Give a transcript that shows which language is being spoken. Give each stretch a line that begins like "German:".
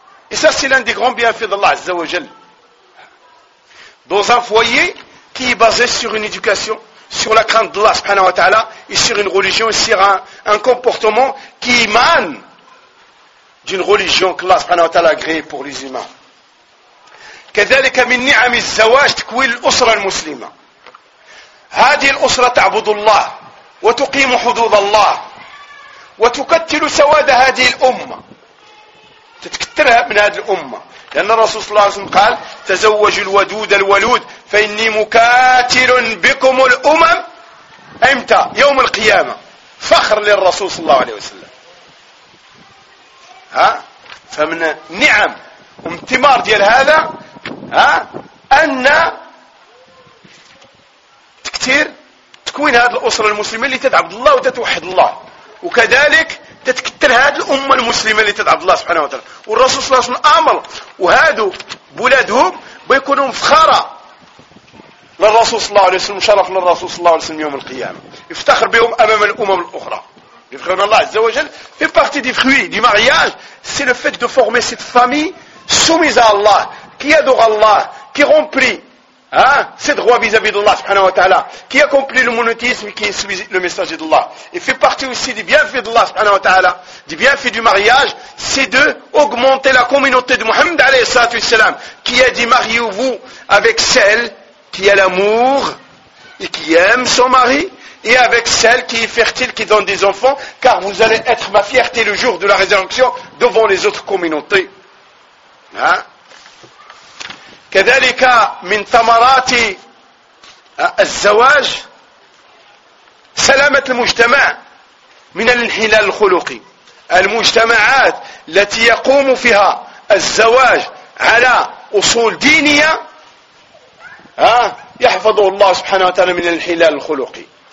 French: Et ça, c'est l'un des grands bienfaits d'Allah Azza wa Jal. Dans un foyer qui est basé sur une éducation, sur la crainte d'Allah subhanahu wa ta'ala, et sur une religion, et sur un comportement qui émane d'une religion que Allah subhanahu wa ta'ala a créée pour les humains.
Arabic: كذلك من نعم الزواج تكوين الأسرة المسلمة. هذه الأسرة تعبد الله وتقيم حدود الله وتكتل سواد هذه الأمة. تتكترها من هذه الأمة، لأن الرسول صلى الله عليه وسلم قال تزوج الودود الولود فإني مكاتل بكم الأمم. أمتى؟ يوم القيامة. فخر للرسول صلى الله عليه وسلم. ها؟ فمن نعم وامتمار ديال هذا ها؟ أن تكتير تكوين هذه الأسرة المسلمة اللي تعبد الله وتتوحد الله، وكذلك تتكتر هذه الأمة المسلمة اللي تدعب الله سبحانه وتعالى. والرسول صلى الله عليه وسلم أمر وهادو بولادهم بيكونوا مفخرة للرسول صلى الله عليه وسلم، شرف للرسول صلى الله عليه وسلم يوم القيامة، يفتخر بهم أمام الأمم الأخرى.
French: Le frère en Allah, Azzawajal, fait partie des fruits du mariage, c'est le fait de former cette famille soumise à Allah, qui adore Allah, qui remplit ses droits vis-à-vis d'Allah, subhanahu wa ta'ala, qui accomplit le monothéisme et qui est soumise le messager d'Allah. Et fait partie aussi des bienfaits d'Allah, subhanahu wa ta'ala, des bienfaits du mariage, c'est d'augmenter la communauté de Muhammad, alayhi salatu wassalam, qui a dit mariez-vous avec celle qui a l'amour et qui aime son mari, et avec celle qui est fertile, qui donne des enfants, car vous allez être ma fierté le jour de la résurrection devant les autres communautés. Hein?
Arabic: كذلك من ثمرات الزواج سلامة المجتمع من الانحلال الخلقي. المجتمعات التي يقوم فيها الزواج على أصول دينية يحفظه الله سبحانه وتعالى من الانحلال الخلقي.